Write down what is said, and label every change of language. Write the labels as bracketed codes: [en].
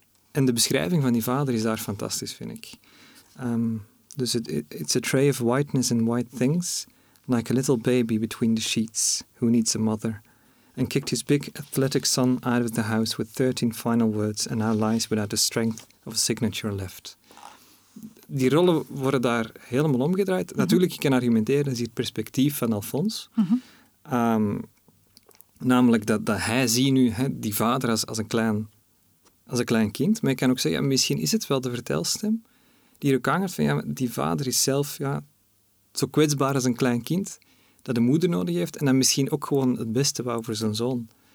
[nl] En de beschrijving van die vader is daar fantastisch, vind ik. [en] Dus it's a tray of whiteness and white things, like a little baby between the sheets, who needs a mother. And kicked his big athletic son out of the house with 13 final words and now lies without the strength of a signature left. [nl] Die rollen worden daar helemaal omgedraaid. Mm-hmm. Natuurlijk, je kan argumenteren, dat is hier perspectief van Alphons. Mm-hmm. Namelijk dat hij ziet nu die vader als een klein kind. Maar je kan ook zeggen, misschien is het wel de vertelstem die er ook aangeeft van, die vader is zelf zo kwetsbaar als een klein kind dat de moeder nodig heeft en dat misschien ook gewoon het beste wou voor zijn zoon.